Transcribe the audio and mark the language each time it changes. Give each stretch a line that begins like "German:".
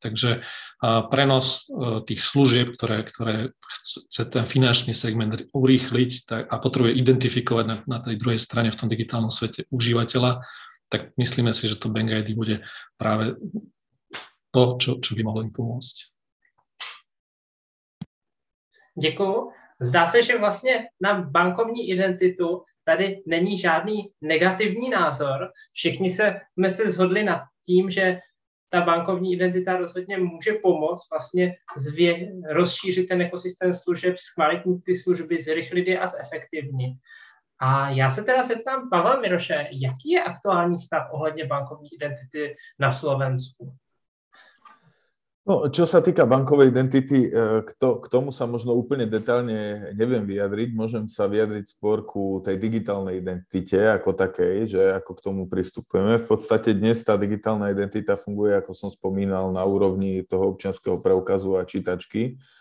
Slovak: Takže prenos tých služieb, ktoré chce ten finančný segment urýchliť a potrebuje identifikovať na tej druhej strane v tom digitálnom svete užívateľa, tak myslíme si, že to BankID bude práve to, čo by mohlo im pomôcť.
Czech: Děkuju. Zdá se, že vlastně na bankovní identitu tady není žádný negativní názor. Všichni jsme se shodli nad tím, že ta bankovní identita rozhodně může pomoct vlastně rozšířit ten ekosystém služeb, zkvalitnit ty služby, zrychlit je a zefektivnit. A já se teda zeptám Pavla Miroše, jaký je aktuální stav ohledně bankovní identity na Slovensku?
Slovak: No, čo sa týka bankovej identity, k tomu sa možno úplne detailne neviem vyjadriť. Môžem sa vyjadriť skôr ku tej digitálnej identite ako takej, že ako k tomu pristupujeme. V podstate dnes tá digitálna identita funguje, ako som spomínal, na úrovni toho občianskeho preukazu a čítačky.